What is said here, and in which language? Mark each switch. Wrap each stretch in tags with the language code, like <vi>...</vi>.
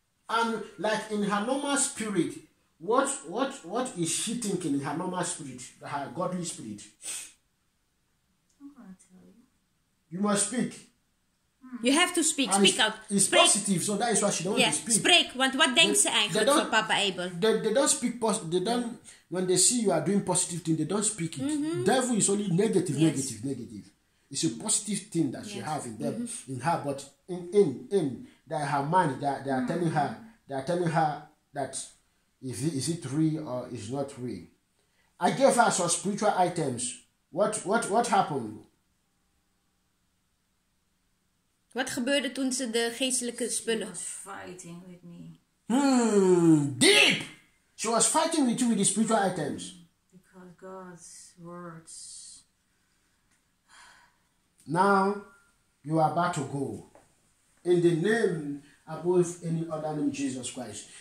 <en>And like in her normal spirit, what is she thinking in her normal spirit, her godly spirit? I'm going to tell you. You must speak. You have to speak. Speak out. It's</en> <nl>spreek.</nl> <en>Positive, so that is why she don't want to speak.</en> <nl>Spreek. Want what denkt ze eigenlijk van Papa Abel?</nl> <en>They don't speak. They don't. When they see you are doing positive thing, they don't speak it. Mm-hmm. Devil is only negative, negative. It's a positive thing that she have in them, mm-hmm. in her. But in that her mind, that they are mm-hmm. telling her, they are telling her that is it real or is not real. I gave her some spiritual items. What happened?</en> <nl>Wat gebeurde toen ze de geestelijke spullen?</nl> <en>She was fighting with me. Deep! She was fighting with you with the spiritual items. Because God's words. Now, you are about to go. In the name above any other name, Jesus Christ.</en>